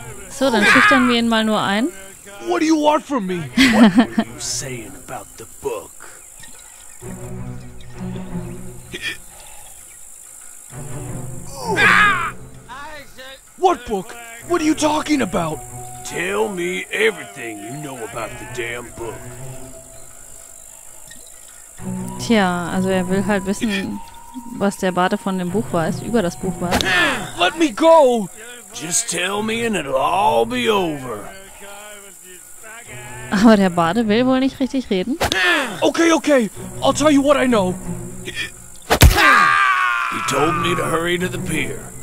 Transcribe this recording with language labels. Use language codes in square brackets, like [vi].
[de] So, dann schüchtern wir ihn mal nur ein. [en] What do you want from me? What were you saying about the book? What book? What are you talking about? Tell me everything you know about the damn book. [de] Tja, also er will halt wissen, was der Bade von dem Buch weiß, über das Buch weiß. [en] Let me go! Just tell me and it'll all be over. [de] Aber der Bade will wohl nicht richtig reden. [en] Okay, okay, I'll tell you what I know. He told me to hurry to the pier.